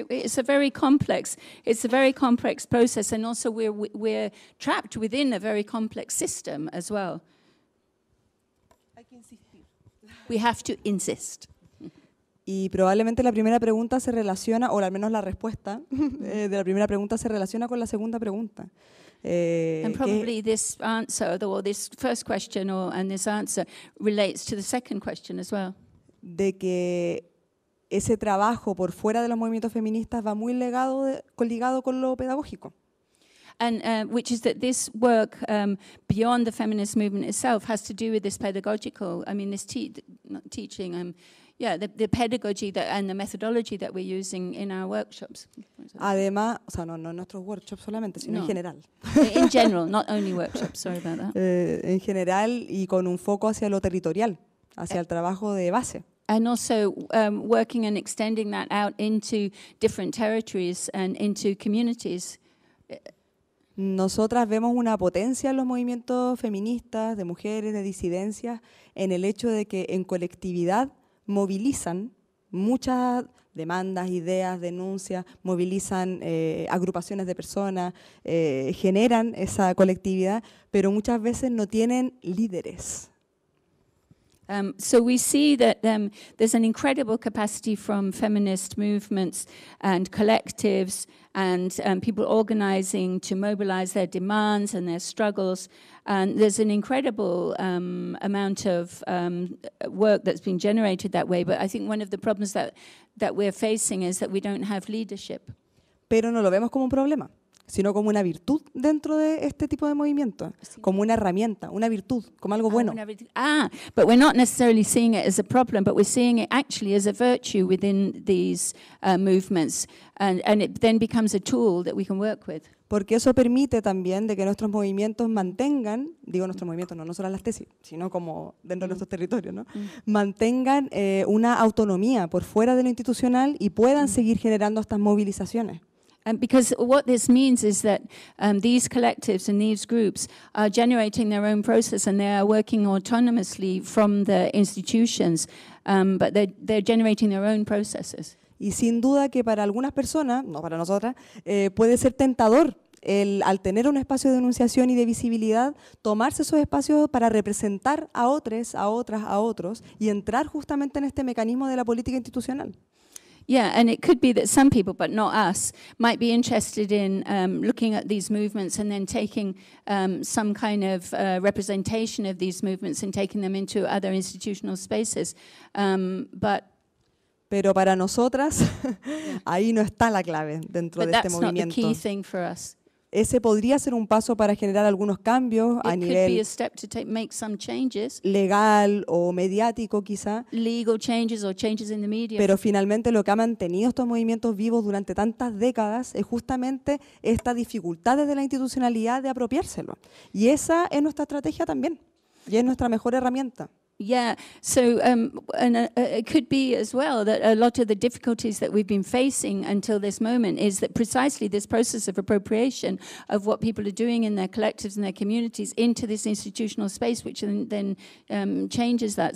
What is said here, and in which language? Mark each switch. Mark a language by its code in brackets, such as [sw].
[en] It's a very complex process, and also we're trapped within a very complex system as well. We have to insist. [es] Y probablemente la primera pregunta se relaciona, o al menos la respuesta de la primera pregunta se relaciona con la segunda pregunta. [en] And probably this answer, or this first question, and this answer relates to the second question as well. [es] De que ese trabajo por fuera de los movimientos feministas va muy ligado con lo pedagógico. [en] And which is that this work beyond the feminist movement itself has to do with this pedagogical, I mean, this the pedagogy that, and the methodology that we're using in our workshops. [es] Además, o sea, no nuestros workshops solamente, sino en general. [en] In general, not only workshops, sorry about that. [es] En general y con un foco hacia lo territorial, hacia el trabajo de base. [en] And also working and extending that out into different territories and into communities. [es] Nosotras vemos una potencia en los movimientos feministas, de mujeres, de disidencias, en el hecho de que en colectividad movilizan muchas demandas, ideas, denuncias, movilizan agrupaciones de personas, generan esa colectividad, pero muchas veces no tienen líderes. [en] So we see that there's an incredible capacity from feminist movements and collectives and people organizing to mobilize their demands and their struggles. And there's an incredible amount of work that's been generated that way. But I think one of the problems that we're facing is that we don't have leadership. [es] Pero no lo vemos como un problema, sino como una virtud dentro de este tipo de movimiento, como una herramienta, una virtud, como algo bueno. [en] But we're not necessarily seeing it as a problem, but we're seeing it actually as a virtue within these movements, and it then becomes a tool that we can work with. [es] Porque eso permite también de que nuestros movimientos mantengan, digo nuestros movimientos, no solo las tesis, sino como dentro de nuestros territorios, ¿no? Mantengan una autonomía por fuera de lo institucional y puedan seguir generando estas movilizaciones. [en] And because what this means is that these collectives and these groups are generating their own process, and they are working autonomously from the institutions, but they're generating their own processes. [es] Y sin duda que para algunas personas, no para nosotras, puede ser tentador el, al tener un espacio de enunciación y de visibilidad, tomarse esos espacios para representar a otros, a otras, a otros, y entrar justamente en este mecanismo de la política institucional. [en] Yeah, and it could be that some people, but not us, might be interested in looking at these movements and then taking some kind of representation of these movements and taking them into other institutional spaces. [es] Pero para nosotras, ahí no está la clave dentro [en] but [es] de este movimiento. [en] But that's not the key thing for us. [es] Ese podría ser un paso para generar algunos cambios [en] it [es] a nivel [en] could be a step to take, make some changes, [es] legal o mediático quizá. [en] Legal changes or changes in the media. [es] Pero finalmente lo que ha mantenido estos movimientos vivos durante tantas décadas es justamente esta dificultad desde la institucionalidad de apropiárselo. Y esa es nuestra estrategia también. Y es nuestra mejor herramienta. [en] Yeah, so it could be as well that a lot of the difficulties that we've been facing until this moment is that precisely this process of appropriation of what people are doing in their collectives and their communities into this institutional space, which then changes that.